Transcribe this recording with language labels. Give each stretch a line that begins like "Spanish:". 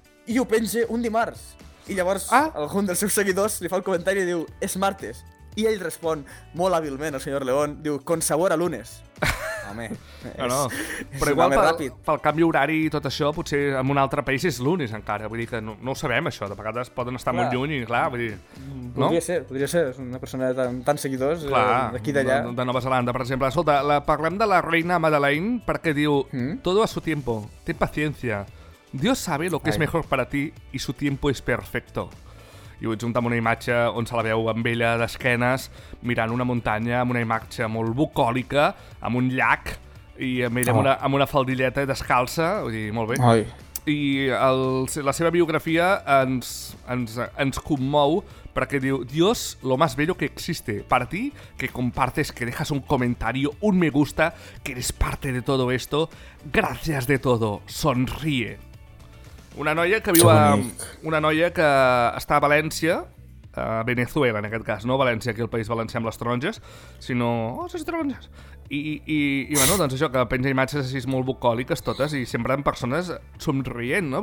Catalan: I ho penja un dimarts. I llavors algun dels seus seguidors li fa el comentari i diu, és martes. I ell respon molt hàbilment, el senyor León, diu,
Spanish: con sabor a lunes.
Catalan: home, no, no. Però igual pel canvi horari i tot això, potser en un altre país és lunes encara, vull dir que no, no ho sabem això, de vegades poden estar molt lluny, clar, vull dir, no? Podria ser, una persona de tants seguidors d'aquí d'allà. De Nova Zelanda, per exemple. Escolta, parlem de la reina Madeleine perquè diu,
Spanish: todo a su tiempo, ten paciencia, Dios sabe lo que es mejor para ti y su tiempo es perfecto.
Catalan: I ho adjunta amb una imatge on se la veu amb ella d'esquenes, mirant una muntanya, amb una imatge molt bucòlica, amb un llac, i amb ella amb una faldilleta descalça, vull dir, molt bé. Ai. I la seva biografia ens commou perquè diu
Spanish: «Dios, lo más bello que existe para ti, que compartes, que dejas un comentario, un me gusta, que eres parte de todo esto, gracias de todo, sonríe».
Catalan: Una noia que viu una noia que està a València, a Venezuela en aquest cas, no València, aquí el País Valencià amb les taronges, sinó les taronges. I bueno, doncs això, que penja imatges així molt bucòliques totes i sempre amb persones somrient, no?